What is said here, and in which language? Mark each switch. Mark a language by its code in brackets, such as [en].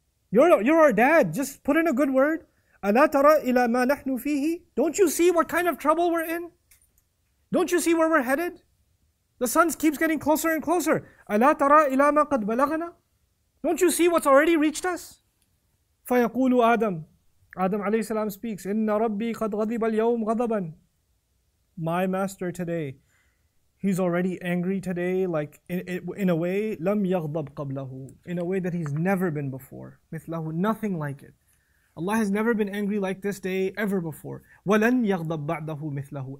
[en] You're our dad. Just put in a good word. [ar] أَلَا تَرَى إِلَى مَا نَحْنُ فِيهِ. [en] Don't you see what kind of trouble we're in? Don't you see where we're headed? The sun keeps getting closer and closer. [ar] أَلَا تَرَى إِلَى مَا قَدْ بَلَغْنَا. [en] Don't you see what's already reached us? [ar] فَيَقُولُ [en] Adam alayhi salam speaks, [ar] إِنَّ رَبِّي قَدْ غَضِبَ الْيَوْمْ غَضَبًا. [en] My master today, he's already angry today, like in a way, [ar] لَمْ يَغْضَبْ قَبْلَهُ. [en] In a way that he's never been before. [ar] مِثْلَهُ. [en] Nothing like it. Allah has never been angry like this day ever before. [ar] وَلَنْ يَغْضَبْ بَعْدَهُ مِثْلَهُ.